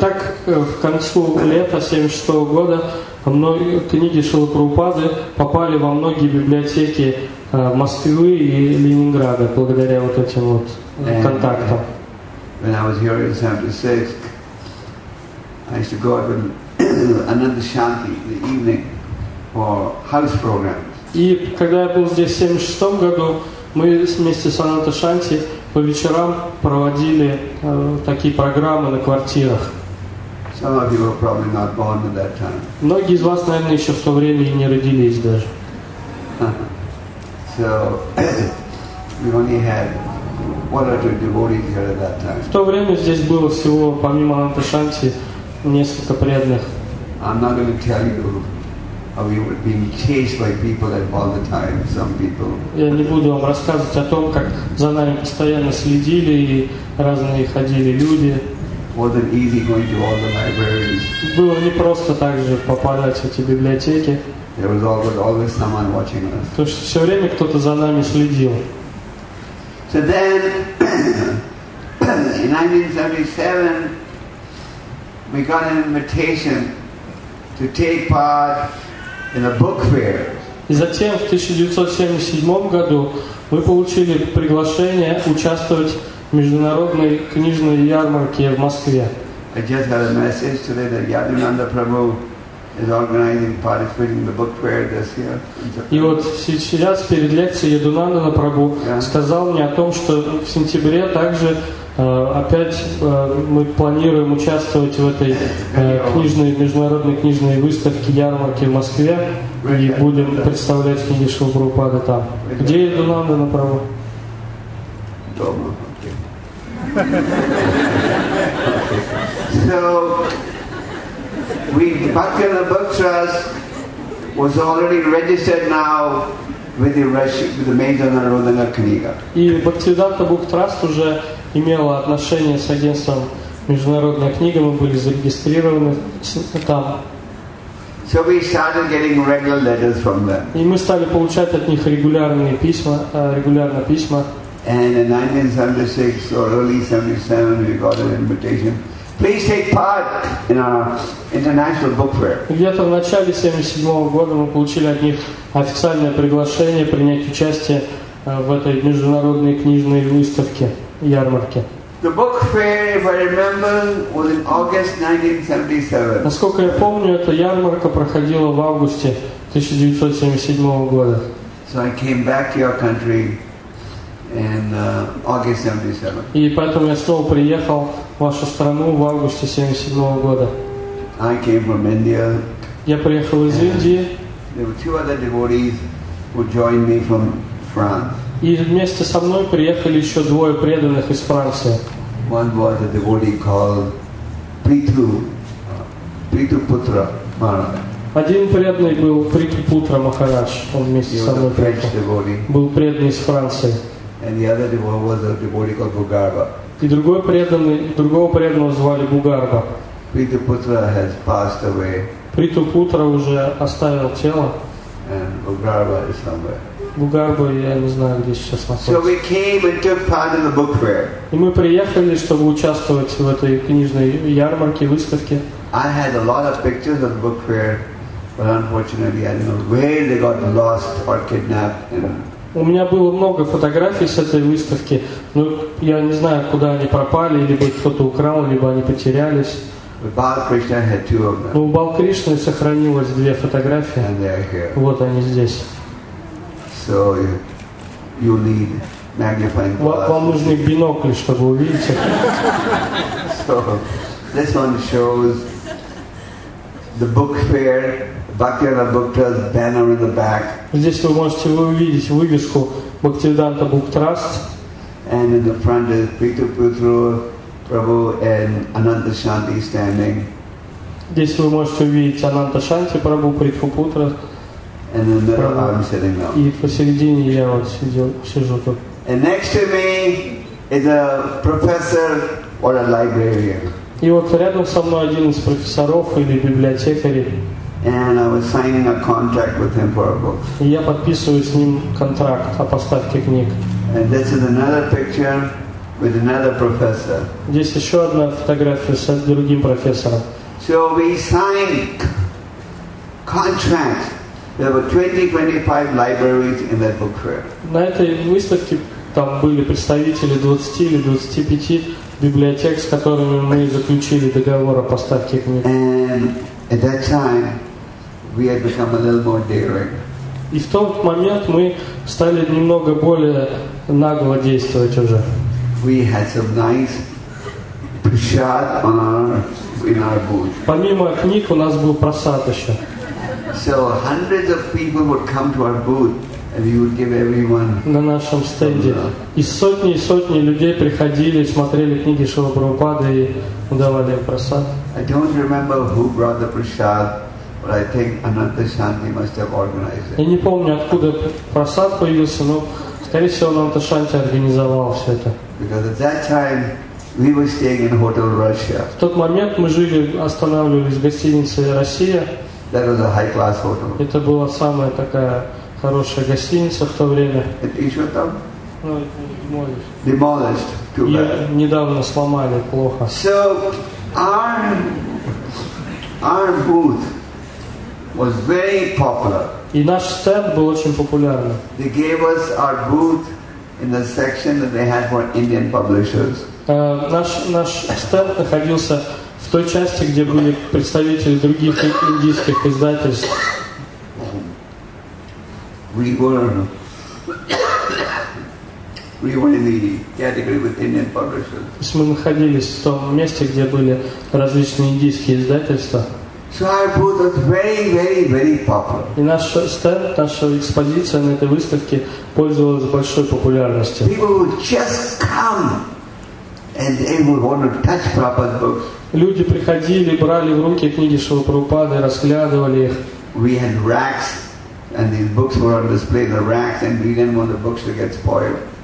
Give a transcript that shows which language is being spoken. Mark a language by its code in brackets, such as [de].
[ru] Итак, в конце лета 76 года книги Шрилы Прабхупады попали во многие библиотеки Москвы и Ленинграда благодаря вот этим вот контактам. [en] When I was here in 76, I used to go out with Ananda Shanti in the evening for house programs. [ru] И когда я был здесь в 76 году, мы вместе с Ананда Шанти по вечерам проводили такие программы на квартирах. [en] Some of you were probably not born at that time. [ru] Многие из вас, наверное, еще в то время и не родились даже. [en] So we only had. What are the devotees here at that time? [ru] В то время здесь было всего, помимо Ананда Шанти, несколько преданных. [en] I'm not going to tell you how we were being chased by people at all the time. Some people. [ru] Я не буду вам рассказывать о том, как за нами постоянно следили и разные ходили люди. [en] Wasn't easy going to all the libraries. [ru] Было не просто также попадать в эти библиотеки. [en] There was always someone watching us. [ru] То есть все время кто-то за нами следил. [en] So then, in 1977, we got an invitation to take part in a book fair. [ru] И затем в 1977 году мы получили приглашение участвовать в международной книжной ярмарке в Москве. [en] I just got a message today that Yadunanda Prabhu is organizing participating in the book fair this year. [ru] И вот сейчас перед лекцией Ядунанда Прабху сказал мне о том, что в сентябре также Опять мы планируем участвовать в этой книжной, международной книжной выставке, ярмарке в Москве и будем представлять книги Шрилы Прабхупады там. Где я иду на Анды на право? Дома. [en] So, Bhaktivinoda Book Trust was already registered now with the major Narodana Kniga. [ru] И Бхактивиданта Бук Траст уже имела отношение с агентством Международная книга, мы были зарегистрированы там. [en] So we started getting regular letters from them. [ru] И мы стали получать от них регулярные письма, регулярно письма. [en] And in 1976 or early 77 we got an invitation. Please take part in our international book fair. [ru] Где-то в начале 77 года мы получили от них официальное приглашение принять участие в этой международной книжной выставке. Ярмарки. [en] The book fair, if I remember, was in August 1977. [ru] Насколько я помню, эта ярмарка проходила в августе 1977 года. [en] So I came back to your country in August 77. [ru] И поэтому я снова приехал в вашу страну в августе 77 года. [en] I came from India. [ru] Я приехал из Индии. [en] There were two other devotees who joined me from France. [ru] И вместе со мной приехали еще двое преданных из Франции. [en] One was a devotee called Prithu, Prithu Putra Maharaj. [ru] Один преданный был Prithu Putra Maharaj. Он вместе со мной приехал. Был преданный из Франции. [en] And the other devotee was a devotee called Bhugarbha. [ru] И другого преданного звали Бхугарба. [en] Prithu Putra has passed away. [ru] Prithu Putra уже оставил тело. [en] And Bhugarbha is somewhere. [ru] Бугарбу, я не знаю, где сейчас находится. [en] So we came and took part in the book fair. [ru] И мы приехали, чтобы участвовать в этой книжной ярмарке, выставке. [en] I had a lot of pictures of the book fair, but unfortunately, I don't know where they got lost or kidnapped. [ru] У меня было много фотографий с этой выставки, но я не знаю, куда они пропали, либо их кто-то украл, либо они потерялись. [en] But Bal Krishna had two of them. [ru] Но у Бал Кришны сохранилось две фотографии. [en] And they are here. [ru] Вот они здесь. [en] So you need magnifying glass. [ru] Вам нужны бинокли, чтобы увидеть. [en] So this one shows the book fair, Bhaktivinoda Book Trust banner in the back. [ru] Здесь вы можете увидеть вывеску Бхактивиданта Book Trust. [en] And in the front is Prithu Putra Prabhu and Ananta Shanti standing. [ru] Здесь вы можете увидеть Ананта Шанти Прабху, Prithu Putra. [en] And in the middle, I'm sitting now. [ru] И посередине я вот сижу тут. [en] And next to me is a professor or a librarian. [ru] И вот рядом со мной один из профессоров или библиотекарей. [en] And I was signing a contract with him for a book. [ru] И я подписываю с ним контракт о поставке книг. [en] And this is another picture with another professor. [ru] Здесь еще одна фотография с другим профессором. [en] So we signed contract. There were 20-25 libraries in that book fair. [ru] На этой выставке там были представители 20 или 25 библиотек, с которыми мы заключили договор о поставке книг. [en] And at that time, we had become a little more daring. [ru] И в тот момент мы стали немного более нагло действовать уже. [en] We had some nice prasad on our in our booth. [ru] Помимо книг у нас был просад еще. [en] So hundreds of people would come to our booth, and we would give everyone. [ru] На нашем стенде и сотни людей приходили, смотрели книги Шрилы Прабхупады и давали просад. [en] I don't remember who brought the prasad, but I think Ananta Shanti must have organized it. [ru] Я не помню, откуда просад появился, но скорее всего Ананта Шанти организовал все это. [en] Because at that time we were staying in Hotel Russia. [ru] В тот момент мы жили, останавливались в гостинице Россия. [en] That was a high-class hotel. [ru] Это была самая такая хорошая гостиница в то время. Это еще там? Ну, [en] demolished. Too bad. [ru] Ее недавно сломали, плохо. [en] So our booth was very popular. [ru] И наш стенд был очень популярным. [en] They gave us our booth in the section that they had for Indian publishers. [ru] Наш стенд находился в той части, где были представители других индийских издательств. [en] We were We were in the category with Indian publishers. [ru] Мы находились в том месте, где были различные индийские издательства. [en] So our booth was very, very, very popular. [ru] И наш стенд, наша экспозиция на этой выставке пользовалась большой популярностью. [en] People would just come, and they would want to touch Prabhupada's books. [ru] Люди приходили, брали в руки книги Шрилы Прабхупады, расглядывали их. [en] We had racks, and these books were on display. The racks, and we didn't want the books to get spoiled.